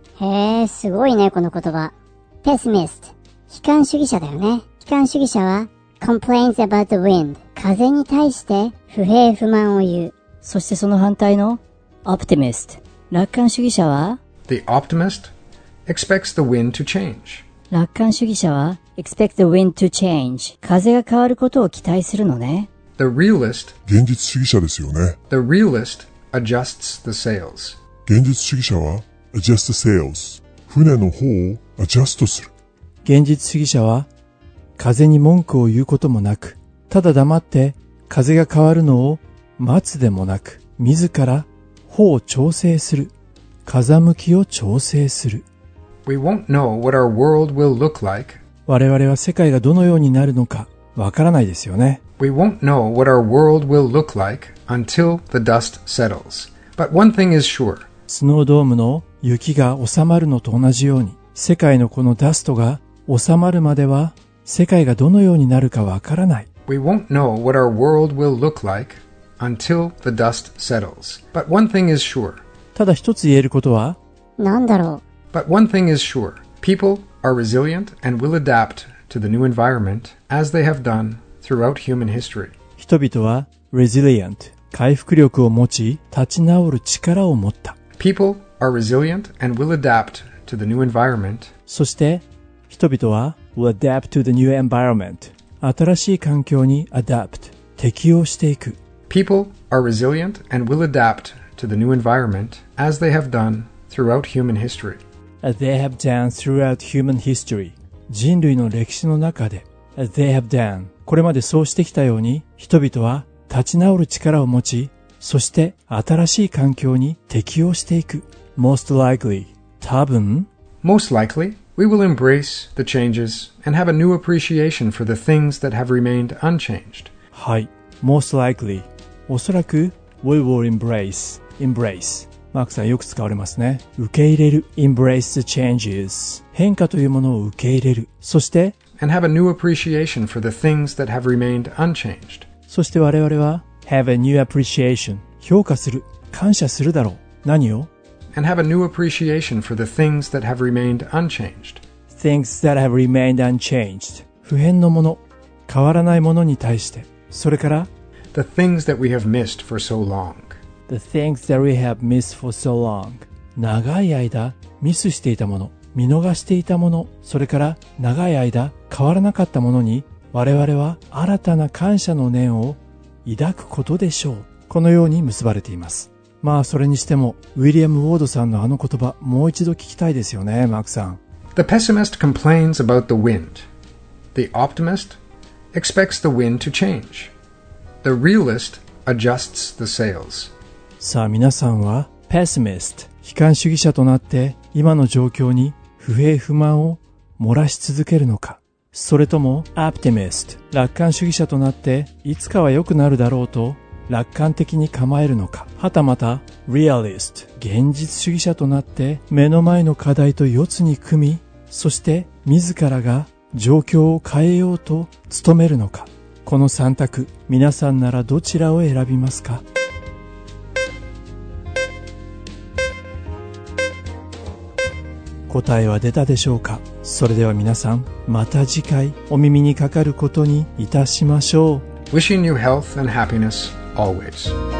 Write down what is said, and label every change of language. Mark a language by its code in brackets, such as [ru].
[ja] へえ、すごいね、この言葉。Pessimist、悲観主義者だよね。 [en] 悲観主義者は、complains about the wind。 [ja] 風に対して不平不満を言う。そしてその反対の、optimist。楽観主義者は [en] The optimist expects the wind to change. 楽観主義者は expect the wind to change. [ja] 風が変わることを期待するのね。 [en] The realist [ja] 現実主義者ですよね。 [en] The realist adjusts the sails. 現実主義者は adjust the sails. [ja] 船の方をアジャストする。現実主義者は風に文句を言うこともなく、ただ黙って風が変わるのを待つでもなく、自ら方を調整する。風向きを調整する。 [en] We won't know what our world will look like. [ja] 我々は世界がどのようになるのかわからないですよね。 [en] We won't know what our world will look like until the dust settles. But one thing is sure. [ja] スノードームの雪が収まるのと同じように、世界のこのダストが収まるまでは世界がどのようになるかわからない。 [en] We won't know what our world will look like. Until the dust settles. But one thing is sure. [ja] ただ一つ言えることは何だろう? [en] But one thing is sure. People are resilient and will adapt to the new environment as they have done throughout human history. [ja] 人々は resilient, 回復力を持ち、立ち直る力を持った。 [en] People are resilient and will adapt to the new environment. [ja] そして人々は [en] will adapt to the new environment. [ja] 新しい環境に adapt, 適応していく。 [en] People are resilient and will adapt to the new environment as they have done throughout human history. As they have done throughout human history. [ja] 人類の歴史の中で [en] As they have done. [ja] これまでそうしてきたように人々は立ち直る力を持ちそして新しい環境に適応していく [en] Most likely. [ja] 多分 [en] Most likely, we will embrace the changes and have a new appreciation for the things that have remained unchanged. [ja] はい。 [en] Most likely. [ja] おそらく [en] We will embrace. Embrace. [ja] マークさんよく使われますね。受け入れる。 [en] Embrace the changes. [ja] 変化というものを受け入れる。そして、 [en] And have a new appreciation for the things that have remained unchanged. [ja] そして我々は、 [en] Have a new appreciation. [ja] 評価する。感謝するだろう。何を？ [en] And have a new appreciation for the things that have remained unchanged. Things that have remained unchanged. [ja] 不変のもの。変わらないものに対して。それから、 [en] The things that we have missed for so long. The things that we have missed for so long. [ja] 長い間、ミスしていたもの。見逃していたもの。それから、長い間、変わらなかったものに、我々は新たな感謝の念を抱くことでしょう。このように結ばれています。まあ、それにしても、ウィリアム・ウォードさんのあの言葉、もう一度聞きたいですよね、マークさん。 [en] The pessimist complains about the wind. The optimist expects the wind to change. The realist adjusts the sails. [ja] さあ、皆さんは、pessimist、悲観主義者となって、今の状況に不平不満を漏らし続けるのか、それとも、optimist、楽観主義者となって、いつかは良くなるだろうと、楽観的に構えるのか、はたまた realist 現実主義者となって目の前の課題と四つに組み、そして自らが状況を変えようと努めるのか、この三択、皆さんならどちらを選びますか。答えは出たでしょうか。それでは皆さん、また次回お耳にかかることにいたしましょう。 [en] Wishing you health and happiness always.